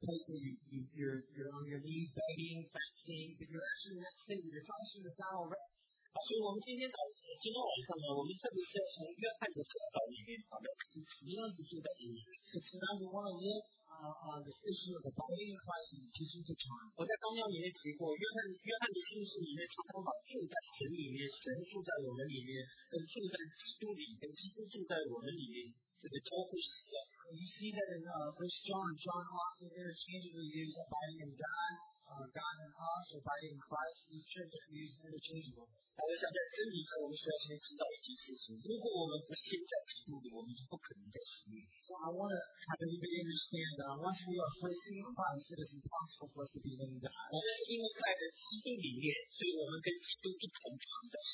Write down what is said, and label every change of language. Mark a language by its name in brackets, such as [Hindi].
[English] You're on your knees begging, fasting, but you're actually next thing, you're fasting with God already. [Chinese] 所以我们今天早上，今天晚上呢，我们特别是要从约翰的教导里面，我们要怎么样子做到这个？我在纲要里面提过，约翰的信息里面常常把住在神里面，神住在我们里面，跟住在基督里跟基督住在我们里面。 [English] You see that in First John interchangeably used abiding in God, God in us, or abiding in Christ. These terms are used interchangeably. So I want to have everybody understand that unless we are first in Christ, it is impossible for us to be in God.